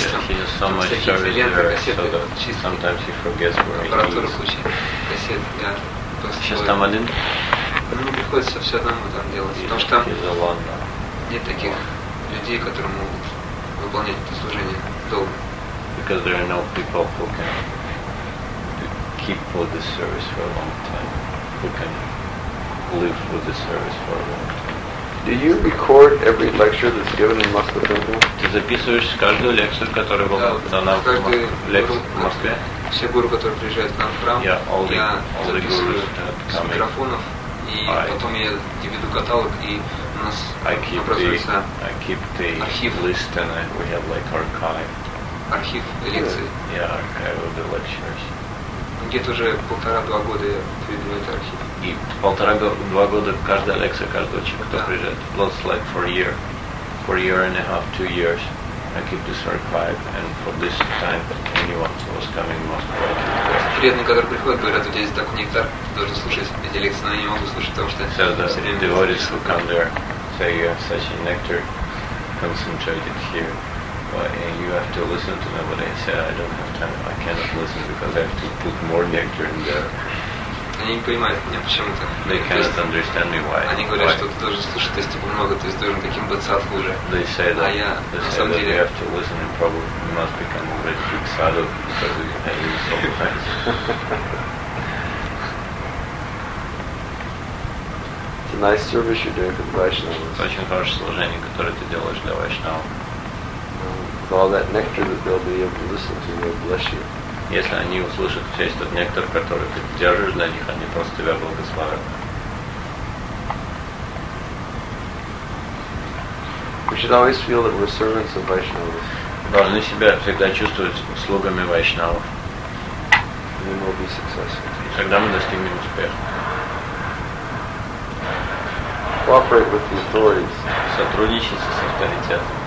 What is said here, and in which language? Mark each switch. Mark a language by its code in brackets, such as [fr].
[ru] я. Там всякие ленты, кассеты, чистые. [en] Sometimes he forgets where he is. [ru] Аппаратура куча, кассеты, да. Сейчас там один? Ну, приходится все одному там делать, потому что там нет таких людей, которые могут выполнять это служение долго. [en] Because there are no people who can keep with this service for a long time, who can live with this service for a long time. Do you record every lecture that's given in Moscow Temple? [ru] Ты записываешь каждую лекцию, которая была дана в Москве? Все гуру, которые приезжают к нам в храм, я записываю с микрофонов, и потом я веду каталог, и у нас образуется [en] архив. List, and I, we have like archive. [ru] Архив лекций. [en] Yeah, archive of the lectures. [ru] Где-то уже полтора-два года я веду этот архив. И полтора-два года каждая лекция, каждого человека, кто приезжает. [en] Plus, like, for a year and a half, 2 years, I keep this archive, and for this time, anyone who was coming must be able to hear. [ru] Которые приходят, говорят, у тебя есть такой нектар, должен слушать эти лекции, но я не могу слушать, потому что... [en] So the devotees who come there say, you have such a nectar concentrated here, but you have to listen to them, but they say, I don't have time, I cannot listen, because I have to put more nectar in there. [ru] Они не понимают меня почему-то. [en] They cannot understand me why. [ru] Они говорят, что ты должен слушать, то есть типа много, то есть должен таким быть садху уже. [en] They say that. [ru] А я, [en] they [ru] на самом деле. [en] You have to listen and probably must become a very big sadhu because you can use so much. It's a nice service you're doing for the Vaishnavas. [ru] Очень хорошее служение, которое ты делаешь для Вайшнава. [en] With all that nectar that they'll be able to listen to, they'll bless you. [ru] Если они услышат весь тот нектар, который ты держишь для них, они просто тебя благословят. [en] We should always feel that we're servants of Vaishnavas. [ru] Должны себя всегда чувствовать слугами Вайшнавов. [en] We will be successful. [ru] И тогда мы достигнем успеха. [en] Cooperate with the authorities. [ru] Сотрудничайте с авторитетом.